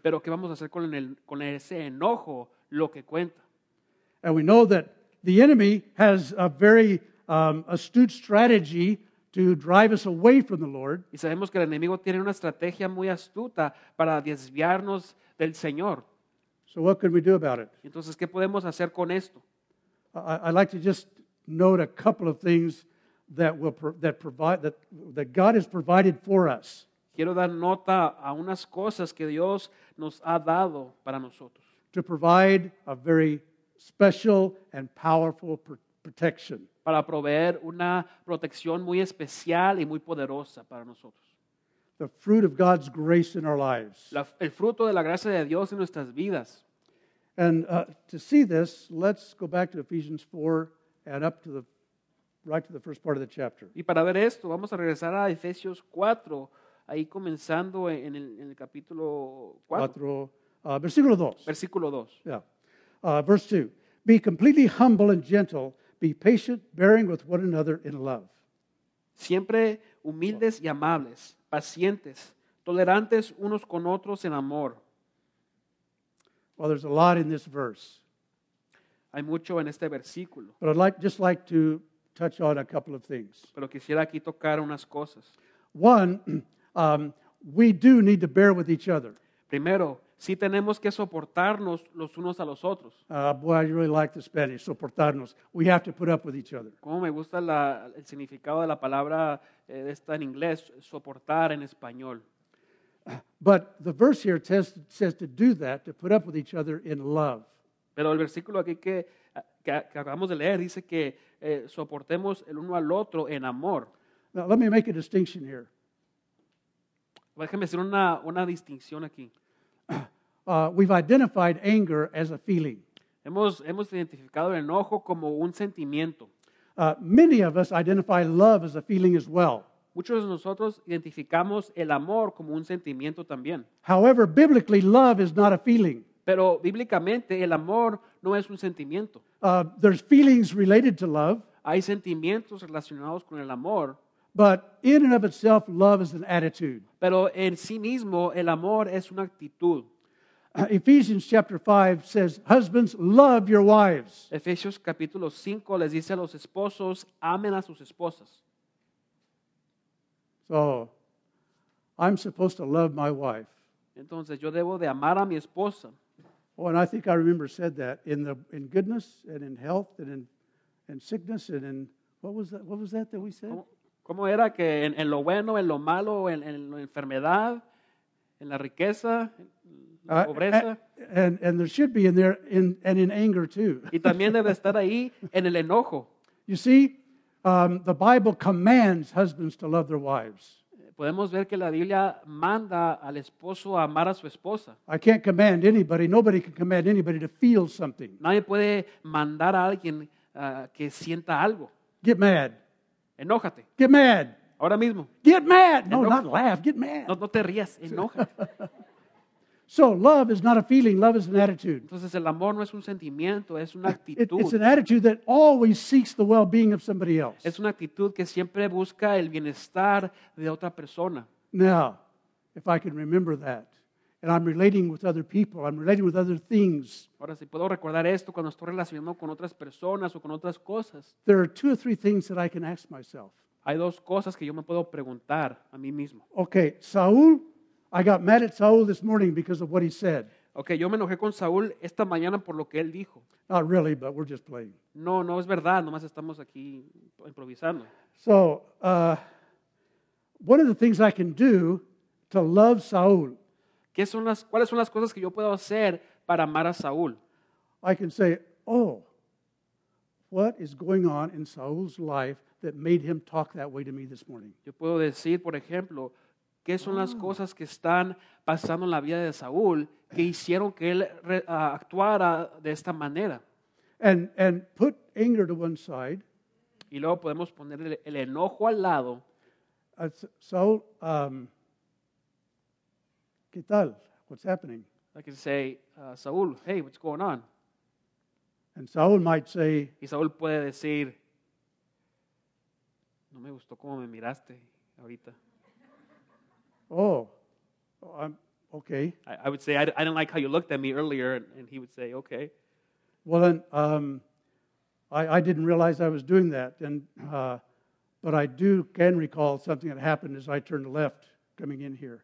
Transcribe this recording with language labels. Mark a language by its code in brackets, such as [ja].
[es] Pero, ¿qué vamos a hacer con ese enojo? Lo que cuenta. [en] And we know that the enemy has a very astute strategy to drive us away from the Lord. [es] Y sabemos que el enemigo tiene una estrategia muy astuta para desviarnos del Señor. [en] So what can we do about it? [es] Entonces, ¿qué podemos hacer con esto? [en] I'd like to just note a couple of things that God has provided for us. [es] Quiero dar nota a unas cosas que Dios nos ha dado para nosotros. [en] To provide a very special and powerful protection. [es] Para proveer una protección muy especial y muy poderosa para nosotros. [en] The fruit of God's grace in our lives. [es] El fruto de la gracia de Dios en nuestras vidas. [en] And to see this, let's go back to Ephesians 4 and up to the right to the first part of the chapter. [es] Y para ver esto, vamos a regresar a Efesios 4, ahí comenzando en el capítulo 4. 4, Versículo 2. Versículo 2. [en] Yeah. Verse 2. Be completely humble and gentle. Be patient, bearing with one another in love. [es] Siempre humildes y amables, pacientes, tolerantes unos con otros en amor. [en] Well, there's a lot in this verse. [es] Hay mucho en este versículo. [en] But I'd like, just like to touch on a couple of things. [es] Pero quisiera aquí tocar unas cosas. [en] One, we do need to bear with each other. [es] Primero, sí tenemos que soportarnos los unos a los otros. [en] Boy, I really like the Spanish, soportarnos. We have to put up with each other. [es] Como me gusta la, el significado de la palabra esta en inglés, soportar en español. [en] But the verse here says to do that, to put up with each other in love. [es] Pero el versículo aquí que acabamos de leer dice que soportemos el uno al otro en amor. [en] Now, let me make a distinction here. [es] Déjeme hacer una distinción aquí. [en] We've identified anger as a feeling. [es] Hemos identificado el enojo como un sentimiento. [en] Many of us identify love as a feeling as well. [es] Muchos de nosotros identificamos el amor como un sentimiento también. [en] However, biblically, love is not a feeling. [es] Pero bíblicamente el amor no es un sentimiento. [en] There's feelings related to love. [es] Hay sentimientos relacionados con el amor. [en] But in and of itself, love is an attitude. [es] Pero en sí mismo el amor es una actitud. [en] Ephesians chapter 5 says, "Husbands, love your wives." [es] Efesios capítulo 5 les dice a los esposos, amen a sus esposas. [en] So, I'm supposed to love my wife. [es] Entonces yo debo de amar a mi esposa. [en] Oh, and I think I remember said that in goodness and in health and in sickness and in what was that we said? [es] ¿Cómo era que en lo bueno, en lo malo, en la enfermedad, en la riqueza, en la pobreza? [en] And there should be in there in anger too. [es] Y también debe estar ahí en el enojo. [en] You see, the Bible commands husbands to love their wives. [es] Podemos ver que la Biblia manda al esposo a amar a su esposa. [en] I can't command anybody. Nobody can command anybody to feel something. [es] Nadie puede mandar a alguien que sienta algo. [en] Get mad. [es] Enójate. [en] Get mad. [es] Ahora mismo. [en] Get mad. No, not laugh. Get mad. [es] No te rías. Enoja. [en] So love is not a feeling. Love is an attitude. [es] Entonces el amor no es un sentimiento. Es una actitud. [en] It's an attitude that always seeks the well-being of somebody else. [es] Es una actitud que siempre busca el bienestar de otra persona. [en] Now, if I can remember that, and I'm relating with other people, I'm relating with other things. [es] Ahora si puedo recordar esto cuando estoy relacionado con otras personas o con otras cosas. [en] There are two or three things that I can ask myself. [es] Hay dos cosas que yo me puedo preguntar a mí mismo. [en] Okay, Saúl. I got mad at Saul this morning because of what he said. [es] Okay, yo me enojé con Saul esta mañana por lo que él dijo. [en] Not really, but we're just playing. [es] No, no es verdad, nomás estamos aquí improvisando. [en] So, one of the things I can do to love Saul. [es] ¿Cuáles son las cosas que yo puedo hacer para amar a Saul? [en] I can say, "Oh, what is going on in Saul's life that made him talk that way to me this morning?" [es] Yo puedo decir, por ejemplo, ¿qué son las cosas que están pasando en la vida de Saúl que hicieron que él actuara de esta manera? [en] And put anger to one side. [es] Y luego podemos poner el enojo al lado. Saúl, ¿qué tal? [en] What's happening? I can say, Saúl, hey, what's going on? And Saúl might say, [es] y Saúl puede decir, no me gustó cómo me miraste ahorita. [en] Oh, I'm okay. I would say I didn't like how you looked at me earlier, and he would say, "Okay." Well, then I didn't realize I was doing that, and but I can recall something that happened as I turned left coming in here.